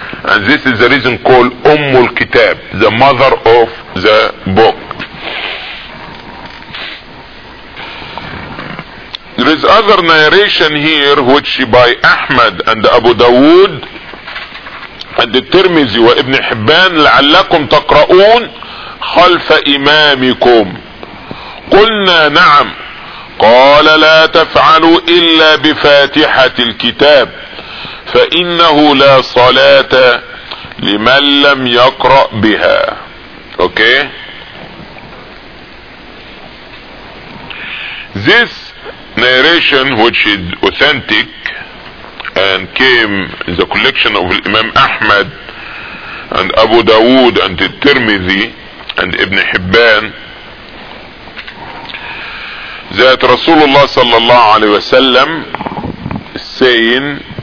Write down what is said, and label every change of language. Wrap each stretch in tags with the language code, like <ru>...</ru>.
<en>And this is the reason called Ummul Kitab, the mother of the book. There is other narration here which by Ahmad and Abu Dawood and Tirmizi wa Ibn Hibban,</en> <ar>لعلكم تقرؤون خلف إمامكم قلنا نعم قال لا تفعلوا إلا بفاتحة الكتاب فإنه لا صلاة لمن لم يقرأ بها.</ar> <en>Okay. This narration, which is authentic and came in the collection of Imam Ahmad and Abu Dawood and Tirmidhi and Ibn Hibban, that Rasulullah sallallahu alayhi wa sallam is saying,</en>